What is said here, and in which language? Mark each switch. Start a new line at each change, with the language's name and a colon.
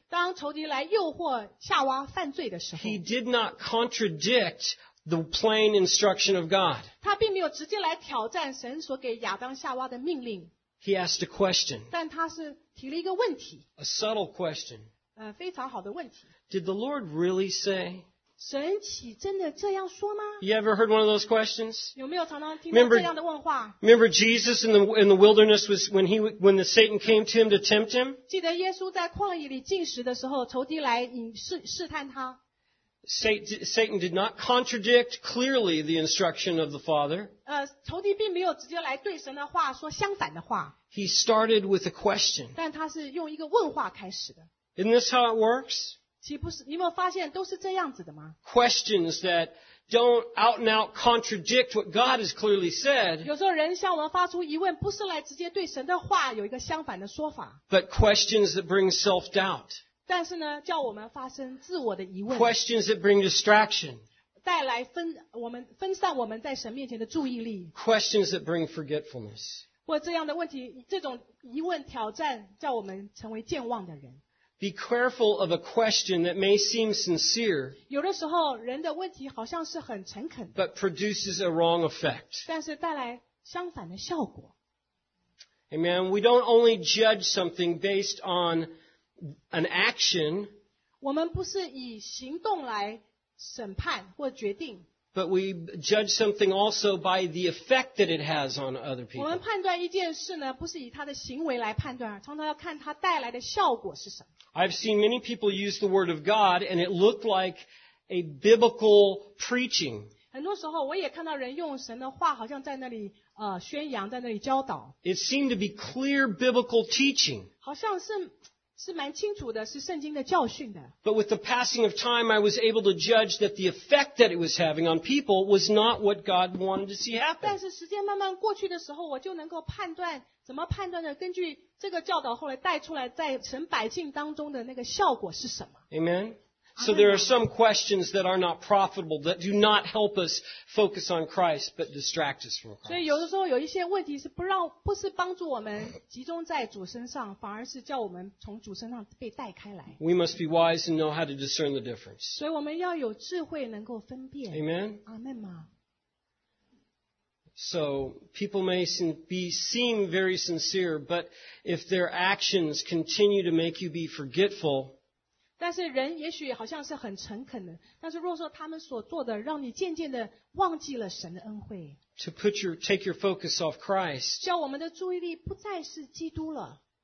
Chinese: 当仇敌来诱惑夏娃犯罪的时候，
English: he did not contradict the plain instruction of God.
Chinese: 他并没有直接来挑战神所给亚当夏娃的命令。
English: He asked a question.
Chinese: 但他是提了一个问题。
English: A subtle question.
Chinese: 非常好的问题。
English: Did the Lord really say?
Chinese: 神岂真的这样说吗？
English: You ever heard one of those questions?
Chinese: 有没有常常听到这样的问话？
English: Remember Jesus in the wilderness was when the Satan came to him to tempt him?
Chinese: 记得耶稣在旷野里禁食的时候，仇敌来试探他。
English: Satan did not contradict clearly the instruction of the Father.
Chinese: 仇敌并没有直接来对神的话说相反的话。
English: He started with a question.
Chinese: 但他是用一个问话开始的。
English: Isn't this how it works?
Chinese: 岂不是，你有没有发现都是这样子的吗？
English: Questions that don't out and out contradict what God has clearly said.
Chinese: 有时候人向我们发出疑问，不是来直接对神的话有一个相反的说法。
English: But questions that bring self-doubt.
Chinese: 但是呢，叫我们发生自我的疑问。
English: Questions that bring distraction.
Chinese: 带来分散我们在神面前的注意力。
English: Questions that bring forgetfulness.
Chinese: 或这样的问题，这种疑问挑战，叫我们成为健忘的人。
English: Be careful of a question that may seem sincere.
Chinese: 有的时候，人的问题好像是很诚恳的。
English: But produces a wrong effect.
Chinese: 但是带来相反的效果。
English: Amen. We don't only judge something based on an action,
Chinese: 我们不是以行动来审判或决定，
English: but we judge something also by the effect that it has on other people.
Chinese: 我们判断一件事呢，不是以它的行为来判断，常常要看它带来的效果是什么。
English: I've seen many people use the word of God and it looked like a biblical preaching.
Chinese: 很多时候我也看到人用神的话好像在那里宣扬，在那里教导。
English: It seemed to be clear biblical teaching.
Chinese: 好像是蛮清楚的，是圣经的教训的。
English: But with the passing of time, I was able to judge that the effect that it was having on people was not what God wanted to see happen.
Chinese: 但是时间慢慢过去的时候，我就能够判断，怎么判断呢？根据这个教导后来带出来，在神百姓当中的那个效果是什么？
English: Amen. So there are some questions that are not profitable, that do not help us focus on Christ, but distract us from Christ.
Chinese: 所以有的时候有一些问题是 不是帮助我们集中在主身上，反而是叫我们从主身上被带开来。
English: We must be wise and know how to discern the difference.
Chinese: 所以我们要有智慧能够分辨。
English: Amen. Amen. So people may seem very sincere, but if their actions continue to make you be forgetful,
Chinese: 但是人也许好像是很诚恳的，但是若说他们所做的让你渐渐的忘记了神的恩惠
English: ，to put your take your focus off Christ，
Chinese: 叫我们的注意力不再是基督了。